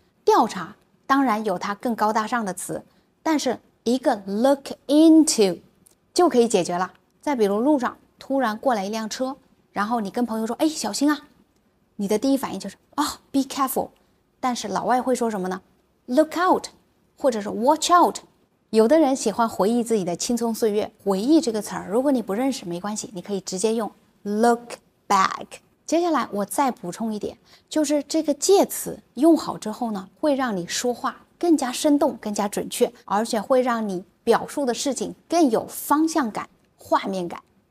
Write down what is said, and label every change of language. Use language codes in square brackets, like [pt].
[zh] 调查当然有它更高大上的词，但是一个 [en] look into [zh] 就可以解决了。再比如路上突然过来一辆车，然后你跟朋友说，哎，小心啊，你的第一反应就是 [en] be careful， [zh] 但是老外会说什么呢？ [en] look out [zh] 或者是 [en] watch out。 [zh] 有的人喜欢回忆自己的青葱岁月，回忆这个词儿，如果你不认识没关系，你可以直接用 [en] look back。 [zh] 接下来我再补充一点，就是这个介词用好之后呢，会让你说话更加生动，更加准确，而且会让你表述的事情更有方向感、画面感。